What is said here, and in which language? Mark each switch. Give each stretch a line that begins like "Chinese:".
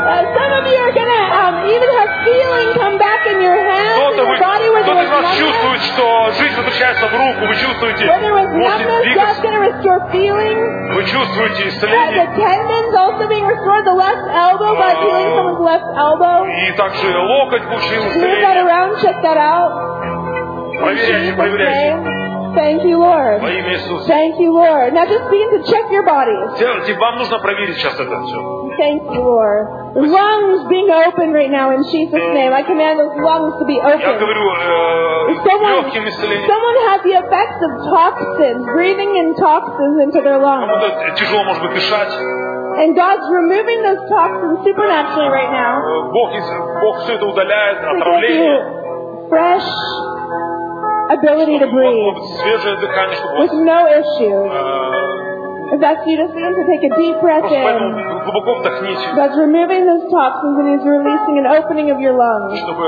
English: Some of you are going to even have feeling come back in your hands, your body with your numbness.
Russian: Кто-то чувствует, что жизнь возвращается в руку. Вы чувствуете, Вы чувствуете исцеление.
English: The tendons also being restored, the left elbow, by feeling someone's left elbow.
Russian: И также локоть получил исцеление.
English: Move that around, check that out.
Russian: Проверяйте, проверяйте.
English: Thank you, Lord.
Russian: Во имя Иисуса.
English: Thank you, Lord. Now just begin to check your body.
Russian: Вам нужно проверить сейчас это все.
English: Thank you, Lord. Lungs being opened right now in Jesus' name. I command those lungs to be open.
Russian: Я говорю, легким исцелением.
English: Someone has the effects of toxins, breathing in toxins into their lungs.
Russian: Кому-то тяжело, может быть, дышать.
English: And God's removing those toxins supernaturally right now.
Russian: Бог все это удаляет, отравление.
English: To give you fresh ability to breathe with no issues. If that's you, just begin to take a deep breath in. God's removing those toxins and He's releasing an opening of your lungs.